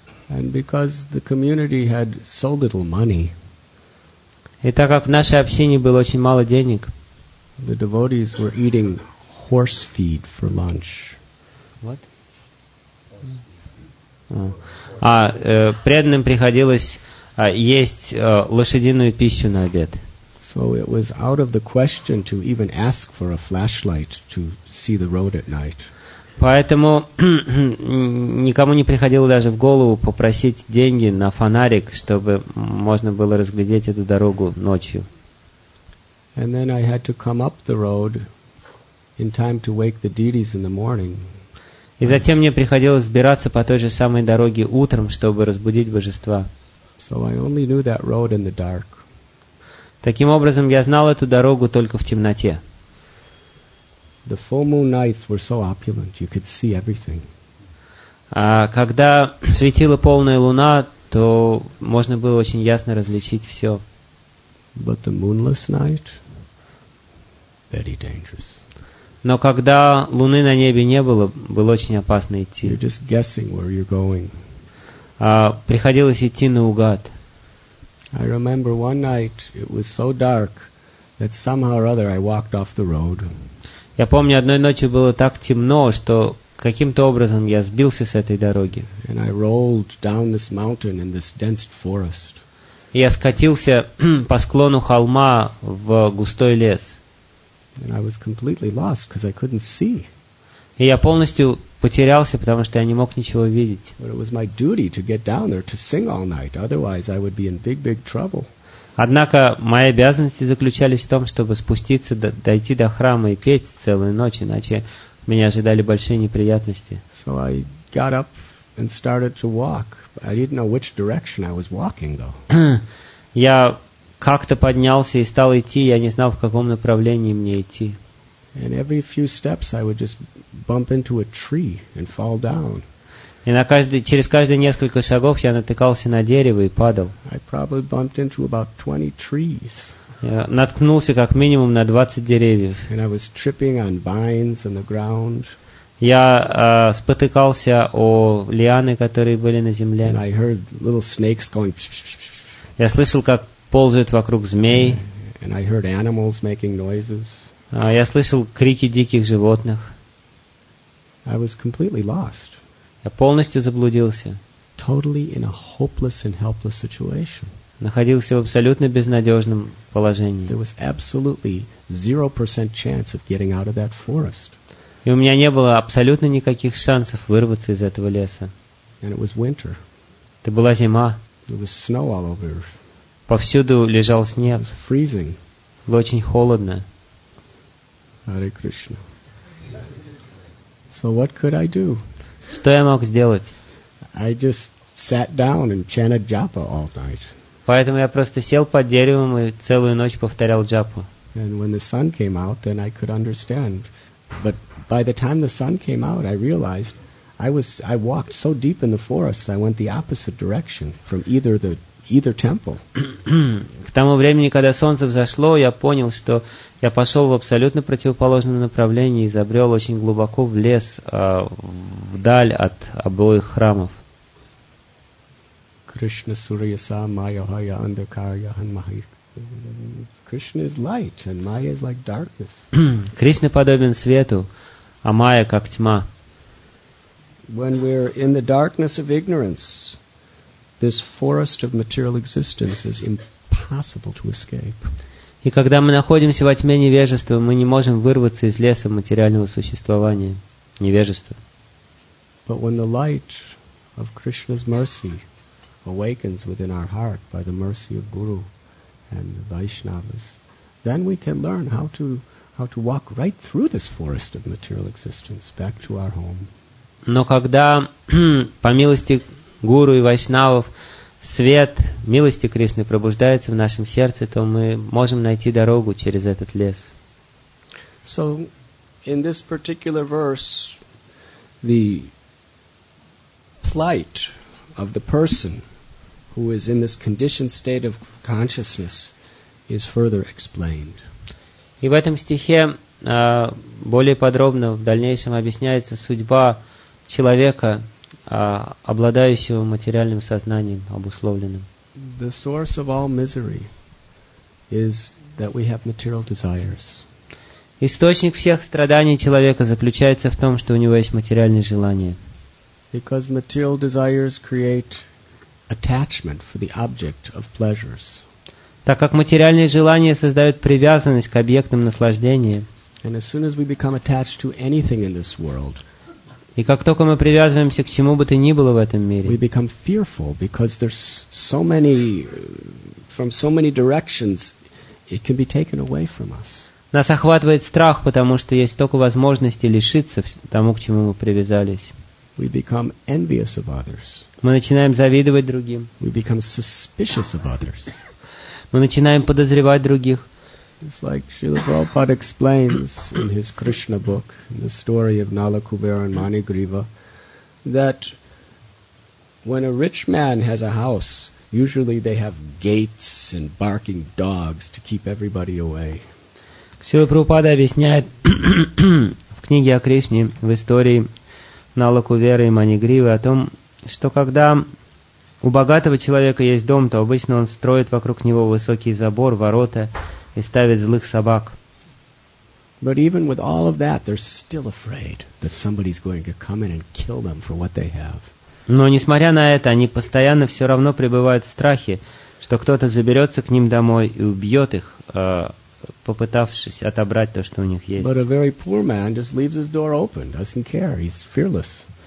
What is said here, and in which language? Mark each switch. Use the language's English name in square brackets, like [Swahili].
[English] And because the community had so little money, [Russian] И так как в нашей общине было очень мало денег, [English] the devotees were eating horse feed for lunch. What? [Russian] А преданным приходилось есть лошадиную пищу на обед. [English] So it was out of the question to even ask for a flashlight to see the road at night. [Russian] Поэтому никому не приходило даже в голову попросить деньги на фонарик, чтобы можно было разглядеть эту дорогу ночью. [English] And then I had to come up the road in time to wake the deities in the morning. [Russian] И затем мне приходилось сбираться по той же самой дороге утром, чтобы разбудить божества. [English] So I only knew that road in the dark. [Russian] Таким образом, я знал эту дорогу только в темноте. [English] The full moon nights were so opulent, you could see everything. [Russian] Когда светила полная луна, то можно было очень ясно различить все. [English] But the moonless night, very dangerous. [Russian] Но когда луны на небе не было, было очень опасно идти. [English] You're just guessing where you're going. [Russian] Приходилось идти наугад. [English] I remember one night it was so dark that somehow or other I walked off the road. [Russian] Я помню, одной ночью было так темно, что каким-то образом я сбился с этой дороги. [English] And I rolled down this mountain in this dense forest. [Russian] Я скатился по склону холма в густой лес. [English] And I was completely lost because I couldn't see. [Russian] И я полностью потерялся, потому что я не мог ничего видеть. [English] But it was my duty to get down there to sing all night, otherwise I would be in big, big trouble. [Russian] Однако мои обязанности заключались в том, чтобы спуститься, дойти до храма и петь целую ночь, иначе меня ожидали большие неприятности. [English] So I got up and started to walk. I didn't know which direction I was walking, though. [Russian] Я как-то поднялся и стал идти, я не знал, в каком направлении мне идти. [English] And every few steps I would just bump into a tree and fall down. [Russian] И через каждые несколько шагов я натыкался на дерево и падал. [English] I probably bumped into about 20 trees. [Russian] Я наткнулся как минимум на 20 деревьев. [English] And I was tripping on vines on the ground. [Russian] Я спотыкался о лианы, которые были на земле. [English] And I heard little snakes going. [Russian] Я слышал, как ползают вокруг змей. [English] And I heard animals making noises. [Russian] Я слышал крики диких животных. [English] I was completely lost. [Russian] Я полностью заблудился. [English] Totally in a hopeless and helpless situation. [Russian] Находился в абсолютно безнадежном положении. [English] There was absolutely 0% chance of getting out of that forest. [Russian] И у меня не было абсолютно никаких шансов вырваться из этого леса. [English] And it was winter. [Russian] Это была зима. [English] There was snow all over. [Russian] Повсюду лежал снег. [English] It was freezing. [Russian] Было очень холодно. [English] Hare Krishna. So what could I do? [Russian] Что я мог сделать? [English] I just sat down and chanted japa all night. [Russian] Поэтому я просто сел под деревом и целую ночь повторял джапу. [English] And when the sun came out, then I could understand. But by the time the sun came out, I realized I walked so deep in the forest, I went the opposite direction from either temple. [Russian] К тому времени, когда солнце взошло, я понял, что я пошел в абсолютно противоположном направлении и забрел очень глубоко в лес, вдаль от обоих храмов. [Sanskrit] Krishna Surya Sa Maya Haya Andhakarya Hanmahi. [English] Krishna is light and Maya is like darkness. [Russian] Кришна подобен свету, а Майя как тьма. [English] When we're in the darkness of ignorance, this forest of material existence is impossible to escape. [Russian] И когда мы находимся во тьме невежества, мы не можем вырваться из леса материального существования, невежества. [English] But when the light of Krishna's mercy awakens within our heart by the mercy of Guru and the Vaishnavas, then we can learn how to walk right through this forest of material existence back to our home. [Russian] Но когда по милости Гуру и Вайшнавов, свет милости Кришны пробуждается в нашем сердце, то мы можем найти дорогу через этот лес. [English] So, in this particular verse, the plight of the person who is in this conditioned state of consciousness is further explained. [Russian] И в этом стихе более подробно в дальнейшем объясняется судьба человека, обладающего материальным сознанием, обусловленным. [English] The source of all misery is that we have material desires. [Russian] Источник всех страданий человека заключается в том, что у него есть материальные желания. [English] Because material desires create attachment for the object of pleasures. [Russian] Так как материальные желания создают привязанность к объектам наслаждения. [English] And as soon as we become attached to anything in this world, [Russian] и как только мы привязываемся к чему бы то ни было в этом мире, [English] we become fearful because there's so many, from so many directions, it can be taken away from us. [Russian] Нас охватывает страх, потому что есть столько возможностей лишиться тому, к чему мы привязались. [English] We become envious of others. [Russian] Мы начинаем завидовать другим. [English] We become suspicious of others. [Russian] Мы начинаем подозревать других. [English] It's like Srila Prabhupada explains in his Krishna book, in the story of Nala Kubera and Manigriva, that when a rich man has a house, usually they have gates and barking dogs to keep everybody away. [Russian] Srila Prabhupada объясняет в книге о Кришне, в истории Нала Кубера и Манигривы, о том, что когда у богатого человека есть дом, то обычно он строит вокруг него высокий забор, ворота, и ставит злых собак. [English] But even with all of that, they're still afraid that somebody's going to come in and kill them for what they have. [Russian] Но несмотря на это, они постоянно все равно пребывают в страхе, что кто-то заберется к ним домой и убьет их, попытавшись отобрать то, что у них есть. [English] But a very poor man just leaves his door open, doesn't care, he's fearless.